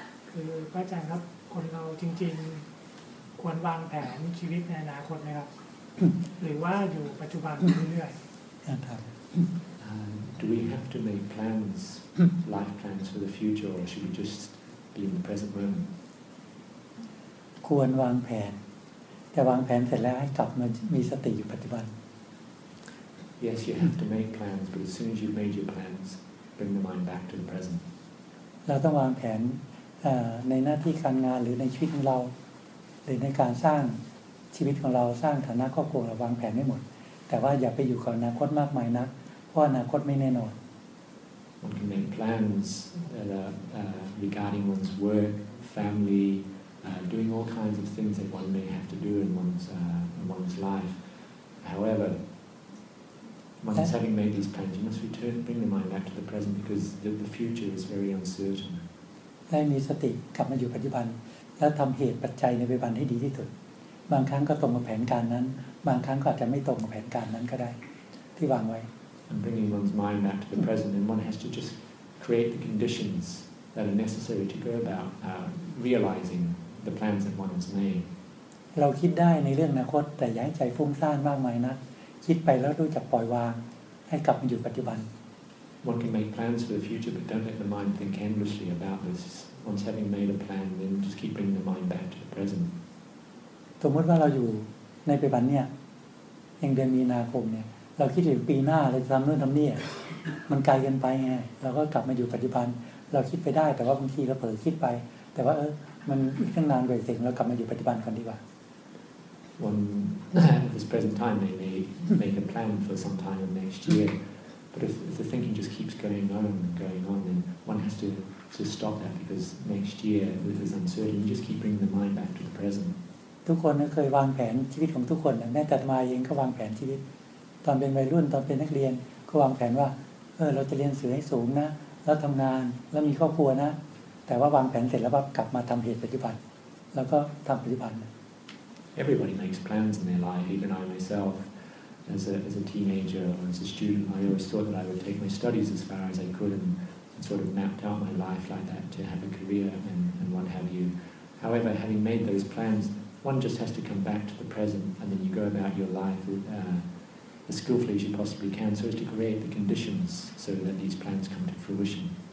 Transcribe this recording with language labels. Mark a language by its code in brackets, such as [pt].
[th] คือพระอาจารย์ครับคนเราจริงๆควรวางแผนชีวิตในอนาคตไหมครับหรือว่าอยู่ปัจจุบันเรื่อย ๆครับ [en] Do we have to make plans, life plans for the future, or should we just be in the present moment? [th] ควรวางแผนแต่วางแผนเสร็จแล้วให้กลับมามีสติอยู่ปัจจุบัน [en] Yes, you have to make plans, but as soon as you've made your plans, bring the mind back to the present. [th] เราต้องวางแผนในหน้าที่การงานหรือในชีวิตของเราหรือในการสร้างชีวิตของเราสร้างฐานะครอบครัวเราวางแผนไม่หมดแต่ว่าอย่าไปอยู่กับอนาคตมากมายนักเพราะอนาคตไม่แน่นอน [en] One can make plans that are regarding one's work, family, doing all kinds of things that one may have to do in one's life. However, once having made these plans, you must return, bring the mind back to the present because the future is very uncertain. [th] ให้มีสติกลับมาอยู่ปัจจุบันแล้วทำเหตุปัจจัยในปัจจุบันให้ดีที่สุดบางครั้งก็ตรงกับแผนการนั้นบางครั้งก็อาจจะไม่ตรงกับแผนการนั้นก็ได้ที่วางไว้ [en] And bringing one's mind back to the present and one has to just create the conditions that are necessary to go about realizing the plans that one has made [th] เราคิดได้ในเรื่องอนาคตแต่อย่าให้ใจฟุ้งซ่านมากมายนะคิดไปแล้วรู้จักปล่อยวางให้กลับมาอยู่ปัจจุบัน [en] One can make plans for the future, but don't let the mind think endlessly about this. Once having made a plan, then just keep bringing the mind back to the present. [th] สมมติว่าเราอยู่ในปัจจุบันเนี่ยยังเดือนมีนาคมเนี่ยเราคิดถึงปีหน้าเราจะทำนู่นทำนี่มันไกลกันไปไงเราก็กลับมาอยู่ปัจจุบันเราคิดไปได้แต่ว่าบางทีเราเผลอคิดไปแต่ว่ามันอีกตั้งนานกว่าเสร็จเรากลับมาอยู่ปัจจุบันก่อนดีกว่า [en] One this present time may make a plan for some time in next year. But if the thinking just keeps going on, then one has to stop that because next year with this uncertainty, you just keep bringing the mind back to the present. [th] ทุกคนเคยวางแผนชีวิตของทุกคนแม้แต่ตัวมาเองก็วางแผนชีวิตตอนเป็นวัยรุ่นตอนเป็นนักเรียนก็วางแผนว่าเราจะเรียนสูงให้สูงนะแล้วทำงานแล้วมีครอบครัวนะแต่ว่าวางแผนเสร็จแล้วก็กลับมาทำเหตุปัจจุบันแล้วก็ทำปัจจุบัน [en] Everybody makes plans in their life, even I myself. As a teenager or as a student, I always thought that I would take my studies as far as I could and sort of mapped out my life like that to have a career and what have you. However, having made those plans, one just has to come back to the present and then you go about your life as skillfully as you possibly can so as to create the conditions so that these plans come to fruition.